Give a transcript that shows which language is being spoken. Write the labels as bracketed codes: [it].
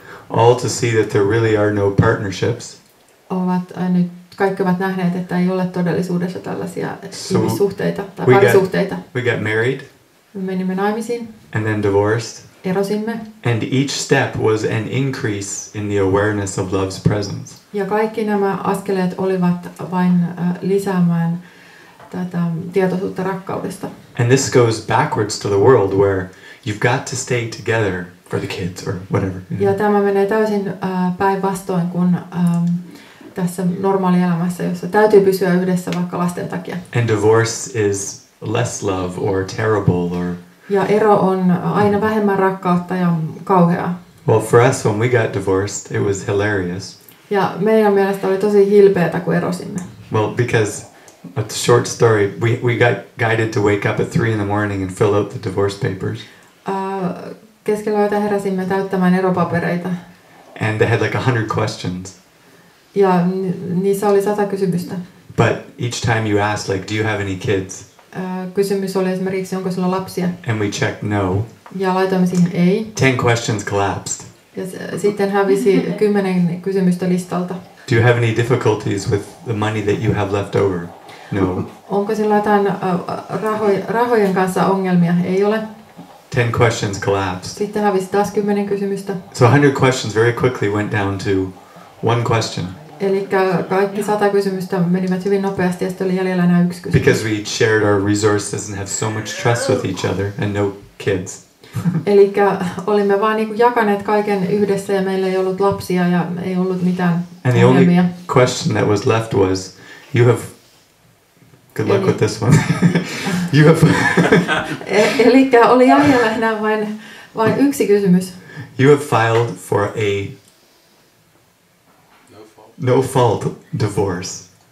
[en] All to see that there really are no partnerships. [fi] Ovat nyt kaikki ovat nähneet, että ei ole todellisuudessa tällaisia ihmissuhteita tai parisuhteita. [en] We got married. [fi] Me menimme naimisiin. [en] And then divorced. [fi] Erosimme. [en] And each step was an increase in the awareness of love's presence. [fi] Ja kaikki nämä askeleet olivat vain lisäämään tätä tietoisuutta rakkaudesta. [en] And this goes backwards to the world where you've got to stay together for the kids or whatever. You know. [fi] Ja tämä menee täysin päinvastoin kuin tässä normaalielämässä, jossa täytyy pysyä yhdessä vaikka lasten takia. [en] And divorce is less love or terrible or. [fi] Ja ero on aina vähemmän rakkautta ja kauheaa. [en] Well, for us, when we got divorced, it was hilarious. [fi] Ja meidän mielestä oli tosi hilpeätä, kun erosimme. [en] Well, because a short story, we got guided to wake up at 3 a.m. and fill out the divorce papers. [fi] Keskellä yötä heräsimme täyttämään eropapereita. [en] And they had like 100 questions. [fi] Ja niissä oli 100 kysymystä. [en] But each time you asked, like, do you have any kids? [fi] Kysymys oli esimerkiksi, onko sulla lapsia? [en] And we checked no. [fi] Ja laitoimme siihen ei. [en] 10 questions collapsed. [fi] Ja sitten hävisi 10 kysymystä listalta. [en] Do you have any difficulties with the money that you have left over? No. [fi] Onko sinulla jotain rahojen kanssa ongelmia? Ei ole. [en] 10 questions collapsed. [fi] Sitten hävisi taas 10 kysymystä. [en] So 100 questions very quickly went down to one question. [fi] Eli kaikki 100 kysymystä menivät hyvin nopeasti ja sitten oli jäljellä enää yksi kysymys. [en] Because we shared our resources and have so much trust with each other and no kids. [fi] Eli olimme vaan niinku jakaneet kaiken yhdessä ja meillä ei ollut lapsia ja ei ollut mitään ongelmia. [en] And the only question that was left was, you have, good luck with this one. You have. [fi] Eli oli jäljellä enää vain yksi kysymys. [en] You have filed for a no fault divorce.